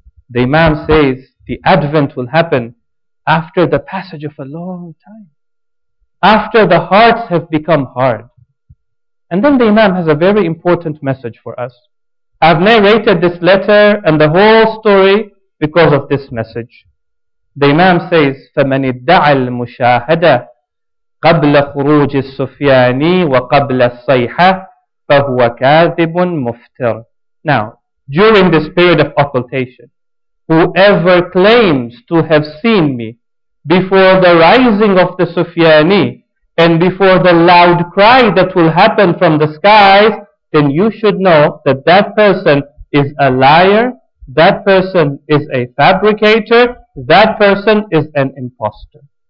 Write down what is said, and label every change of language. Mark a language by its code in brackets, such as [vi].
[en] The Imam says the advent will happen after the passage of a long time. After the hearts have become hard. And then the Imam has a very important message for us. I've narrated this letter and the whole story because of this message. The Imam says, [ar] فَمَنِ ادَّعَ الْمُشَاهَدَةِ قَبْلَ خُرُوجِ السُّفْيَانِي وَقَبْلَ الصَّيْحَةِ فَهُوَ كَاذِبٌ مُفْتِرٌ. [en] Now, during this period of occultation, whoever claims to have seen me before the rising of the Sufyani and before the loud cry that will happen from the skies, then you should know that that person is a liar, that person is a fabricator, that person is an imposter.